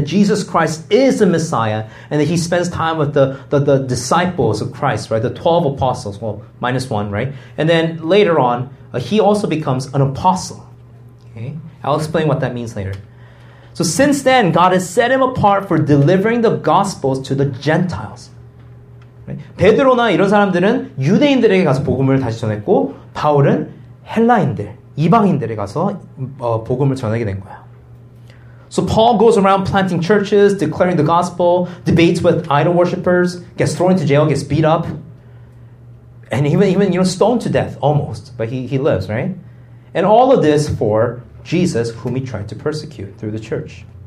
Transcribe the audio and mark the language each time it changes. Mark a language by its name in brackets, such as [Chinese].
[English] That Jesus Christ is the Messiah, and that he spends time with the disciples of Christ, right? The 12 apostles, well, minus one, right? And then later on, he also becomes an apostle, okay? I'll explain what that means later. So since then, God has set him apart for delivering the Gospels to the Gentiles. Right? [Korean] 베드로나 이런 사람들은 유대인들에게 가서 복음을 다시 전했고, 바울은 헬라인들, 이방인들에게 가서 복음을 전하게 된 거야. [English] So Paul goes around planting churches, declaring the Gospel, debates with idol worshippers, gets thrown into jail, gets beat up, and even stoned to death, almost. But he lives, right? And all of this for Jesus, whom he tried to persecute through the church.